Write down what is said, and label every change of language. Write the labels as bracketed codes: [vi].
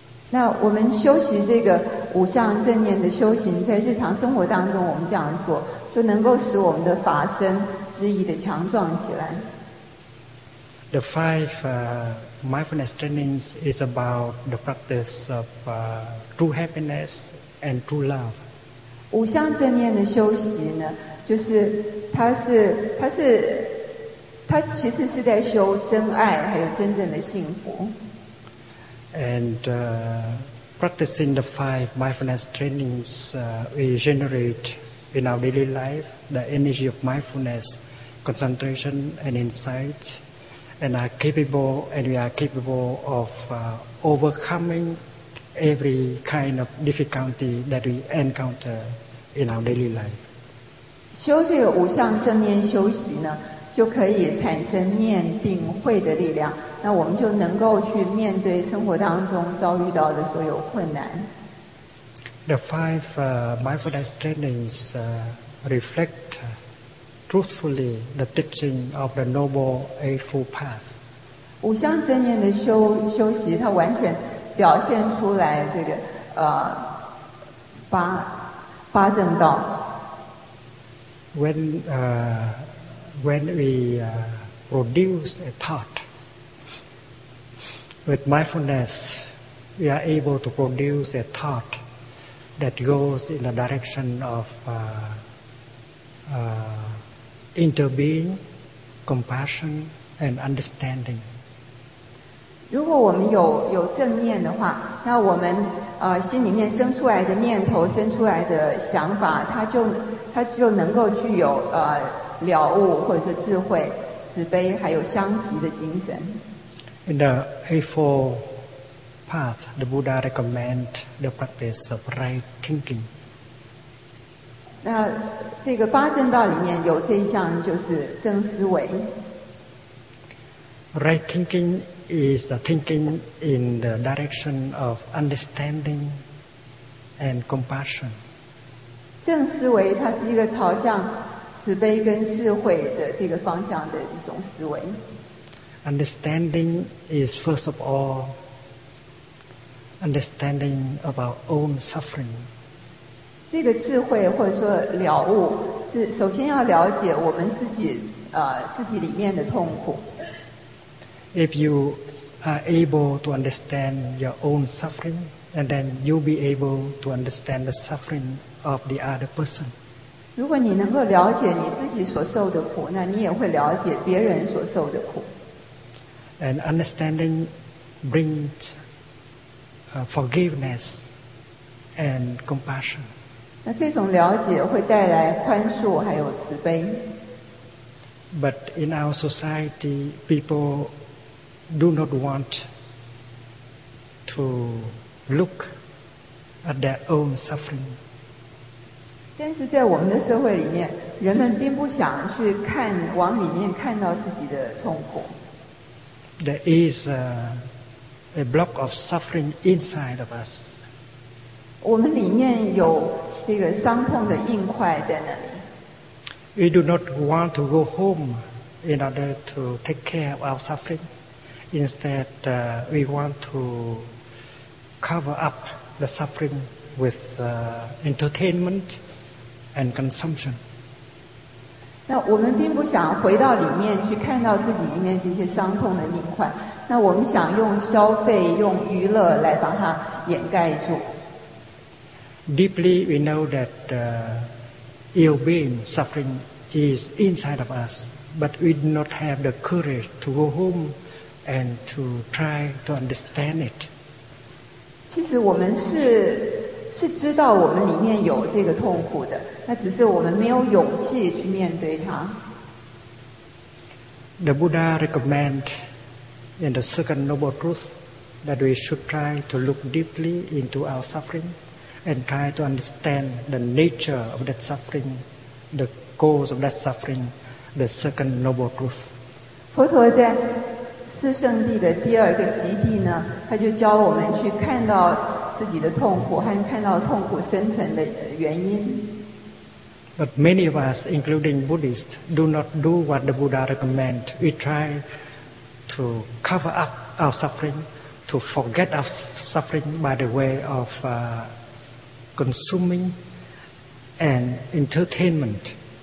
[zh] 那我们修习这个五项正念的修行，在日常生活当中，我们这样做，就能够使我们的法身日益的强壮起来。 [en] The five mindfulness trainings is about the practice of true happiness and true love. [zh] 五项正念的修习呢，就是它其实是在修真爱还有真正的幸福。 [en] And practicing the five mindfulness trainings we generate in our daily life the energy of mindfulness, concentration and insight, and we are capable of overcoming every kind of difficulty that we encounter in our daily life. [zh] 修这个五项正念修习呢，就可以产生念定慧的力量，那我们就能够去面对生活当中遭遇到的所有困难。 [en] The five mindfulness trainings reflect truthfully the teaching of the Noble Eightfold Path. [zh] 五项真言的修习，它完全表现出来这个八正道。 [en] When we produce a thought with mindfulness, we are able to produce a thought that goes in the direction of interbeing, compassion, and understanding. [zh] 如果我们有正念的话，那我们心里面生出来的念头、生出来的想法，它就能够具有了悟或者说智慧、慈悲还有相即的精神。 [en] In the Eightfold Path, the Buddha recommends the practice of right thinking. [zh] 那这个八正道里面有这一项就是正思维。 [en] Right thinking is the thinking in the direction of understanding and compassion. [zh] 正思维它是一个朝向慈悲跟智慧的这个方向的一种思维。 [en] Understanding is first of all understanding of our own suffering. [zh] 这个智慧或者说了悟是首先要了解我们自己里面的痛苦。 [en] If you are able to understand your own suffering, and then you'll be able to understand the suffering of the other person. [zh] 如果你能够了解你自己所受的苦，那你也会了解别人所受的苦。 [en] And understanding brings forgiveness and compassion. [zh] 那这种了解会带来宽恕还有慈悲。 [en] But in our society, people do not want to look at their own suffering. [zh] 但是在我们的社会里面，人们并不想去看，往里面看到自己的痛苦。 [en] There is a block of suffering inside of us. [zh] 我们里面有这个伤痛的硬块在那里。 [en] We do not want to go home in order to take care of our suffering. Instead, we want to cover up the suffering with entertainment and consumption. [zh] 那我们并不想回到里面去看到自己里面这些伤痛的硬块，那我们想用消费、用娱乐来把它掩盖住。 [en] Deeply, we know that ill-being, suffering is inside of us, but we do not have the courage to go home and to try to understand it. [zh] 其实我们是知道我们里面有这个痛苦的，那只是我们没有勇气去面对它。 [en] The Buddha recommends in the Second Noble Truth that we should try to look deeply into our suffering and try to understand the nature of that suffering, the cause of that suffering, the Second Noble Truth. [zh] 佛陀在四圣地的第二个极地呢，他就教我们去看到自己的痛苦和看到痛苦深层的原因。 [en] But many of us, including Buddhists, do not do what the Buddha recommends. We try to cover up our suffering, to forget our suffering by the way of consuming and entertainment.